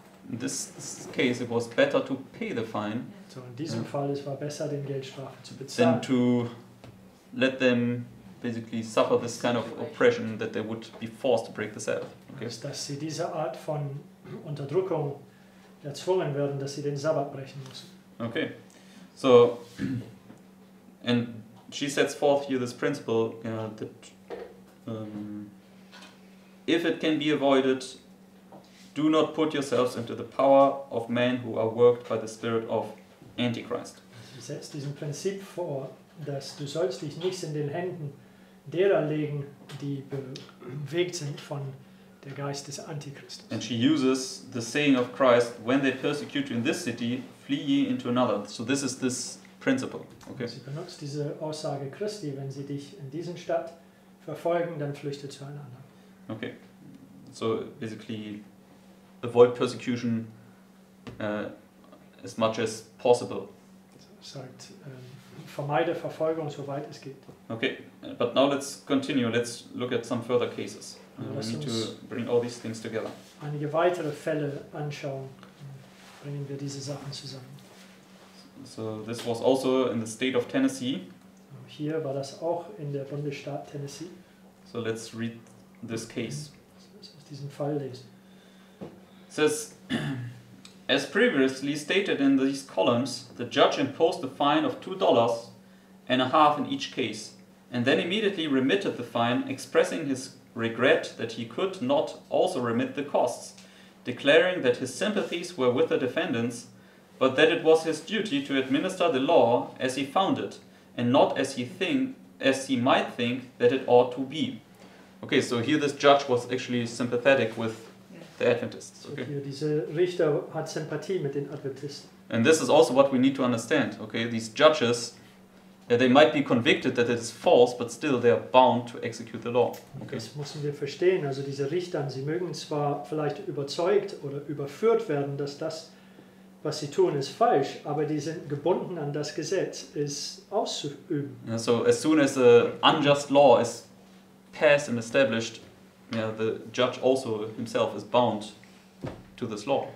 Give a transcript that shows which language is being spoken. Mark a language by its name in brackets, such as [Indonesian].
[English] In this case, it was better to pay the fine. [German] So in diesem Fall, es war besser, den Geldstrafe zu bezahlen. [English] Than to let them basically suffer this kind of oppression, that they would be forced to break the Sabbath. Okay. [German] Dass sie diese Art von Unterdrückung erzwungen werden, dass sie den Sabbat brechen müssen. [English] Okay, so, and she sets forth here this principle, that if it can be avoided, do not put yourselves into the power of men who are worked by the spirit of Antichrist. [German] Sie setzt diesen Prinzip vor, dass du sollst dich nicht in den Händen derer legen, die bewegt sind von der Geist des Antichristes. [English] And she uses the saying of Christ, when they persecute you in this city, flee ye into another. So this is this principle. Okay. [German] Sie benutzt diese Aussage Christi, wenn sie dich in diesen Stadt verfolgen, dann flüchte zu einer anderen. [English] Okay. So basically, avoid persecution as much as possible. [German] Sagt, vermeide Verfolgung, soweit es geht. [English] Okay, but now let's continue. Let's look at some further cases. We need to bring all these things together. [German] Einige weitere Fälle anschauen, bringen wir diese Sachen zusammen. [English] So this was also in the state of Tennessee. [German] Hier war das auch in der Bundesstaat Tennessee. [English] So let's read this case. [German] Aus diesem Fall lesen. [English] It says, as previously stated in these columns, the judge imposed a fine of $2.50 in each case, and then immediately remitted the fine, expressing his regret that he could not also remit the costs, declaring that his sympathies were with the defendants, but that it was his duty to administer the law as he found it, and not as he might think that it ought to be. Okay, so here this judge was actually sympathetic with the Adventists. Okay. [German] So hier dieser Richter hat Sympathie mit den Adventisten. [English] And this is also what we need to understand. Okay, these judges, Yeah, they might be convicted that it is false, but still they are bound to execute the law. [German] Okay. Das müssen wir verstehen. Also diese Richter, sie mögen zwar vielleicht überzeugt oder überführt werden, dass das, was sie tun, ist falsch, aber die sind gebunden an das Gesetz, es auszuüben. [English] Yeah, so as soon as a unjust law is passed and established, yeah, the judge also himself is bound to this law.